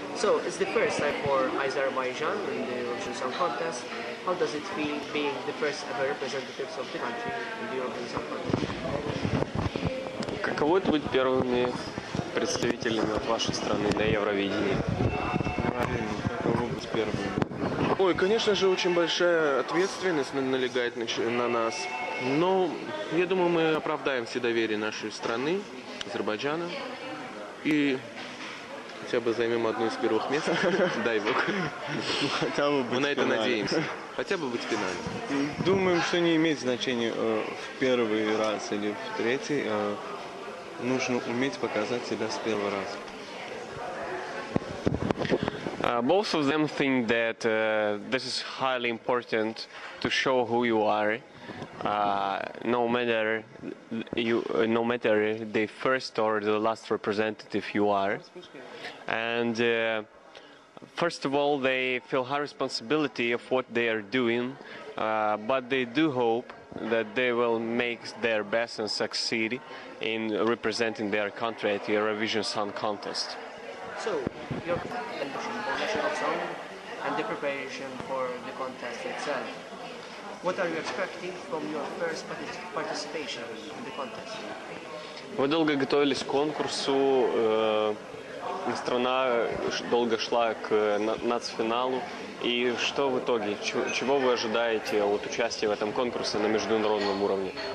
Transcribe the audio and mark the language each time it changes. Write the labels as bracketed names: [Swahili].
[English] So, it's the first time for Azerbaijan in the Eurovision Song Contest. How does it feel being the first ever representatives of the country in the Eurovision Song Contest? [Russian] Каково это быть первыми представителями от вашей страны на Евровидении? Правильно, каково быть первыми? Ой, конечно же, очень большая ответственность налегает на нас. Но я думаю, мы оправдаем все доверие нашей страны, Азербайджана. И хотя бы займем одно из первых мест, дай бог. Хотя бы мы на это надеемся. Хотя бы быть в финале. Думаем, что не имеет значения в первый раз или в третий. Нужно уметь показать себя с первого раза. [English] Both of them think that this is highly important to show who you are, no matter the first or the last representative you are. And first of all, they feel high responsibility of what they are doing, but they do hope that they will make their best and succeed in representing their country at the Eurovision Song Contest. So, your contention, the national song, and the preparation for the contest itself, what are you expecting from your first participation in the contest? [Russian] Вы долго готовились к конкурсу, страна долго шла к нацфиналу. И что в итоге, чего вы ожидаете от участия в этом конкурсе на международном уровне?